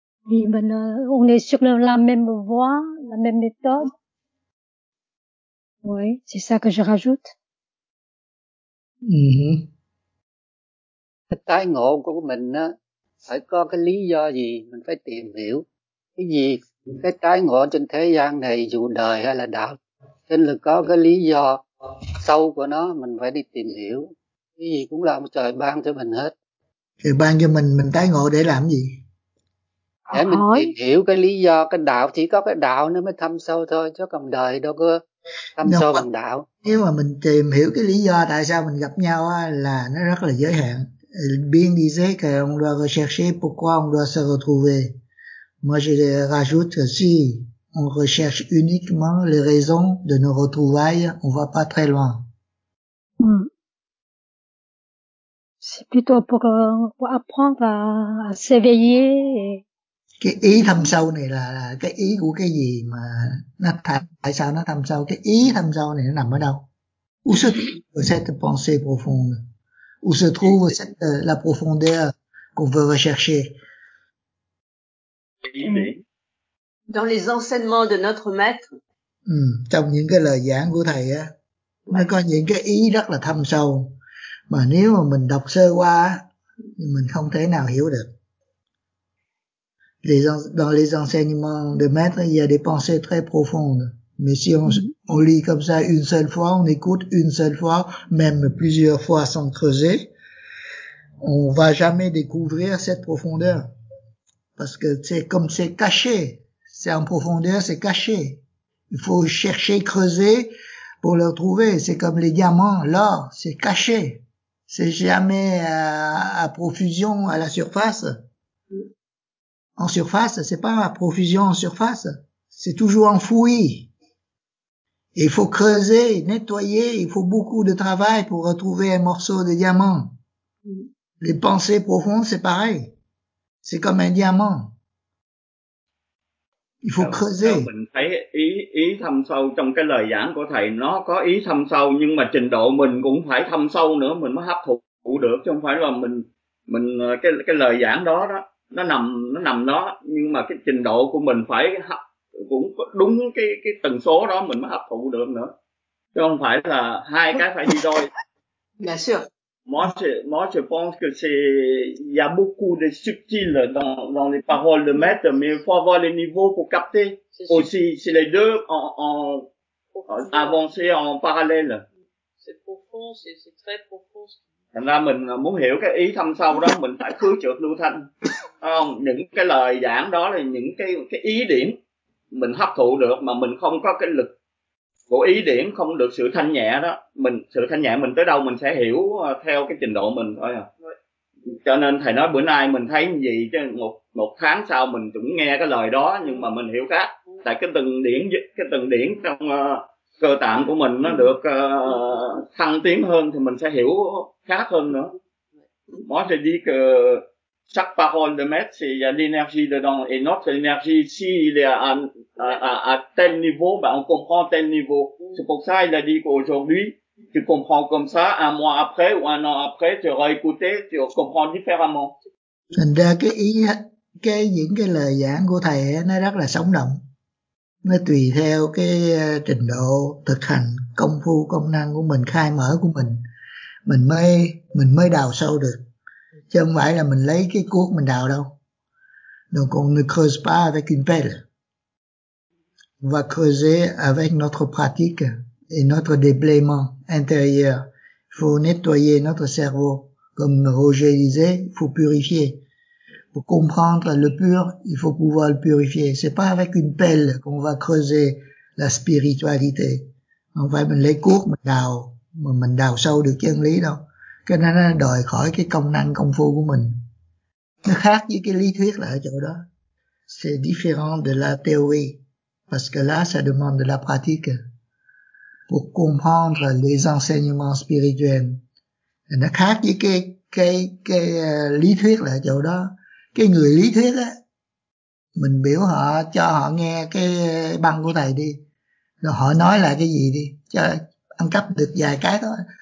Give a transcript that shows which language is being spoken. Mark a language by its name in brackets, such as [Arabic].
[Vietnamese] Vì mình [French] on est sur la même voie, la même méthode. Oui, c'est ça que je rajoute. [Vietnamese] Tái ngộ của mình á, phải có cái lý do gì mình phải tìm hiểu. Cái gì cái tái ngộ trên thế gian này, dù đời hay là đạo, nên là có cái lý do sâu của nó, mình phải đi tìm hiểu. Cái gì cũng là ông trời ban cho mình hết. Thì ban cho mình tái ngộ để làm gì? Để mình tìm hiểu cái lý do. Cái đạo, chỉ có cái đạo nó mới thâm sâu thôi, chứ còn đời đâu có thâm sâu bằng đạo. Nếu mà mình tìm hiểu cái lý do tại sao mình gặp nhau á, là nó rất là giới hạn. [French] Bien disait qu'on doit rechercher pourquoi on doit se retrouver. Moi, je rajoute que si on recherche uniquement les raisons de nos retrouvailles, on va pas très loin. C'est plutôt pour apprendre à s'éveiller. [Vietnamese] Cái ý thâm sâu này là cái ý của cái gì mà nó tại sao nó thâm sâu? Cái ý thâm sâu này nó nằm ở đâu? [French] Où se trouve cette pensée profonde? Où se trouve cette, la profondeur qu'on veut rechercher? Dans les enseignements de notre maître. [Vietnamese] Trong những cái lời giảng của thầy á, nó có những cái ý rất là thâm sâu. Mà nếu mà mình đọc sơ qua thì mình không thể nào hiểu được. [French] Dans les enseignements de maître, il y a des pensées très profondes. Mais si on lit comme ça une seule fois, on écoute une seule fois, même plusieurs fois sans creuser, on va jamais découvrir cette profondeur. Parce que c'est comme c'est caché. C'est en profondeur, c'est caché. Il faut chercher, creuser pour le trouver. C'est comme les diamants, l'or, c'est caché. C'est jamais à profusion à la surface. En surface, c'est pas à profusion en surface. C'est toujours enfoui. Et il faut creuser, nettoyer, il faut beaucoup de travail pour retrouver un morceau de diamant. Les pensées profondes, c'est pareil. C'est comme un diamant. Il faut creuser. [Vietnamese] Mình thấy ý thâm sâu trong cái lời giảng của thầy, nó có ý thâm sâu nhưng mà trình độ mình cũng phải thâm sâu nữa mình mới hấp thụ được, chứ không phải là mình cái lời giảng đó đó nó nằm đó, nhưng mà cái trình độ của mình phải hấp, cũng đúng cái tần số đó mình mới hấp thụ được nữa, chứ không phải là hai cái phải đi đôi. [French] Bien sûr. Moi, je pense que c'est, il y a beaucoup de subtil dans les paroles de maître, mais il faut avoir le niveau pour capter aussi. C'est les deux en avancer en parallèle. C'est profond, c'est très profond. [Vietnamese] Thành ra mình muốn hiểu cái ý thâm sâu đó, mình phải khứ trượt lưu thanh. Không, những cái lời giảng đó là những cái ý điểm mình hấp thụ được, mà mình không có cái lực của ý điểm, không được sự thanh nhẹ đó, mình sự thanh nhẹ mình tới đâu mình sẽ hiểu theo cái trình độ mình thôi à. Cho nên thầy nói bữa nay mình thấy gì, chứ một tháng sau mình cũng nghe cái lời đó nhưng mà mình hiểu khác, tại cái từng điển trong cơ tạng của mình nó được thăng tiến hơn thì mình sẽ hiểu khác hơn nữa. [French] Moi je dis que chaque parole de maître, il y a l'énergie dedans. Et notre énergie ici, il est à tel niveau, ben on comprend tel niveau. C'est pour ça qu'il a dit qu'aujourd'hui, tu comprends comme ça, un mois après ou un an après, tu auras écouté, tu comprends différemment. [Vietnamese] Thành ra cái ý, cái những cái lời giảng của thầy nó rất là sống động. Nó tùy theo cái trình độ thực hành công phu công năng của mình, khai mở của mình mới đào sâu được. Chứ không phải là mình lấy cái cuốc mình đào đâu. [French] Donc on ne creuse pas avec une pelle. On va creuser avec notre pratique et notre déblaiement intérieur. Il faut nettoyer notre cerveau. Comme Roger disait, il faut purifier. Pour comprendre le pur, il faut pouvoir le purifier. C'est pas avec une pelle qu'on va creuser la spiritualité. On va mettre les [Vietnamese] cuốc mình đào. Mình đào sâu được chân lý đâu. Cho nên nó đòi khỏi cái công năng công phu của mình. Nó khác với cái lý thuyết là ở chỗ đó. C'est différent de la théorie. Parce que là, ça demande de la pratique. Pour comprendre les enseignements spirituels. Nó khác với cái lý thuyết là ở chỗ đó. Cái người lý thuyết á, mình biểu họ, cho họ nghe cái băng của thầy đi. Rồi họ nói là cái gì đi. Cho ăn cắp được vài cái thôi.